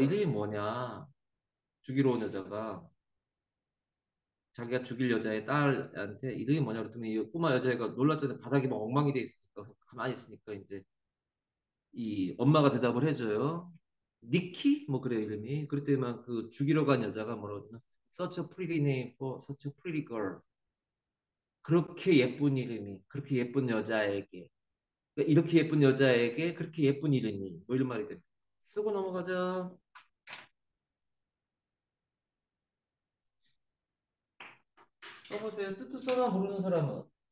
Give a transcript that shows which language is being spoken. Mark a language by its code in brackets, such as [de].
[ko] 이름이 뭐냐? 죽이러 온 여자가. 자기가 죽일 여자의 딸한테 이름이 뭐냐? 그랬더니 이 꼬마 여자애가 놀랐잖아요. 바닥이 막 엉망이 돼 있으니까, 가만히 있으니까 이제 이 엄마가 대답을 해줘요. 니키? 뭐 그래, 이름이. 그랬더니만 그 죽이러 간 여자가 뭐라고 했나? [en] Such a pretty name for such a pretty girl. [ko] 그렇게 예쁜 이름이, 그렇게 예쁜 여자에게, 이렇게 예쁜 여자에게 그렇게 예쁜 이름이, 뭐 이런 말이 돼. 쓰고 넘어가자. 써보세요. 뜨뜻소나 모르는 사람은.